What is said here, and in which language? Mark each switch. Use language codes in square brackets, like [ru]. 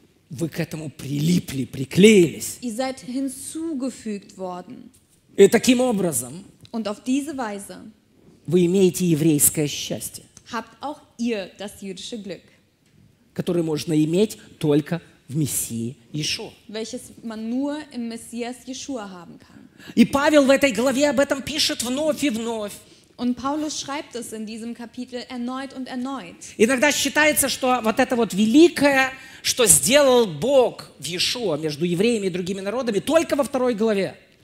[ru] вы к этому прилипли, приклеились. [de] Ihr seid hinzugefügt worden. [ru] И таким образом [de] Und auf diese Weise [ru] вы имеете еврейское счастье, [de] habt auch ihr das jüdische Glück, [ru] которое можно иметь только в Мессии Иешуа. [de] Welches man nur im Messias Yeshua haben kann. [ru] И Павел в этой главе об этом пишет вновь и вновь. [de] Und Paulus schreibt es in diesem Kapitel erneut und erneut. [ru] Иногда считается, что вот это вот великое, что сделал Бог в Иешуа между евреями и другими народами, только во второй главе.